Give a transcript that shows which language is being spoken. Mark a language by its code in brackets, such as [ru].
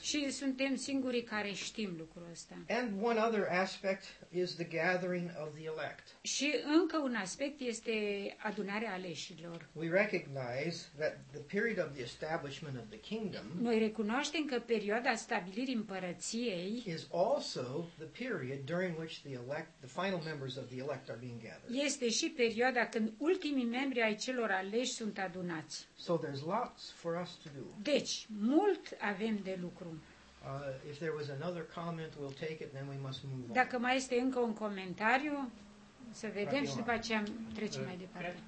[ro] Și suntem singurii care știm lucrul ăsta. [en] And one other aspect is the gathering of the elect. [ro] Și încă un aspect este adunarea aleșilor. [en] We recognize that the period of the establishment of the kingdom. [ro] Noi recunoaștem că perioada stabilirii împărăției [en] is also the period during which the elect, the final members of the elect are being gathered. [ro] Este și perioada când ultimii membri ai celor aleși sunt adunați. [en] So there's lots for us to do. [ro] Deci, mult avem de lucru. [en] If there was another comment, we'll take it, then we must move on. [ro] Dacă mai este încă un comentariu, să vedem și după aceea trecem mai departe.